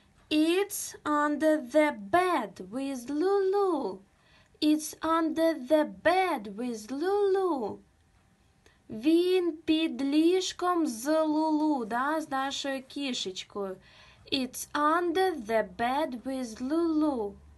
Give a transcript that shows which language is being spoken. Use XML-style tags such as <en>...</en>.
<en>It's under the bed with Lulu. It's under the bed with Lulu.</en> <uk>Він під ліжком з Лулу, да, з нашою кішечкою.</uk> <en>It's under the bed with Lulu.</en>